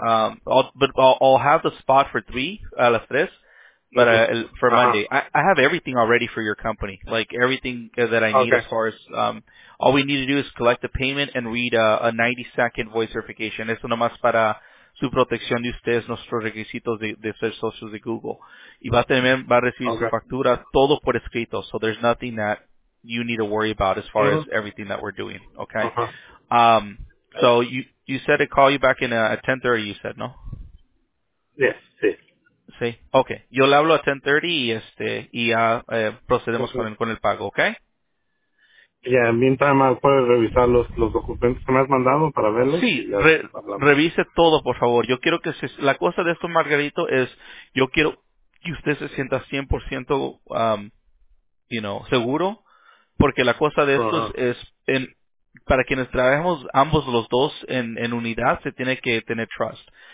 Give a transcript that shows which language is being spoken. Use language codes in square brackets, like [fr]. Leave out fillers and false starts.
[en] I'll have the spot for 3, [es] a las 3, [en] but for Monday. I have everything already for your company, like everything that I need, okay. As far as... all we need to do is collect the payment and read a 90-second voice verification. [es] Eso nomás para su protección de ustedes, nuestros requisitos de ser socios de Google. Y va a recibir su factura todo por escrito. [en] So there's nothing that you need to worry about as far as everything that we're doing. Okay? So you said to call you back in at 10:30, you said, no? Yes, sí. [es] Sí, okay. Yo le hablo a 10:30 procedemos con el pago, okay? [en] Yeah, meantime, [es] ¿puedes revisar los documentos que me has mandado para verlos? Sí, revise todo, por favor. Yo quiero que la cosa de esto, Margarito, es yo quiero que usted se sienta 100% seguro, porque la cosa de esto es para quienes trabajemos ambos los dos en unidad, se tiene que tener trust.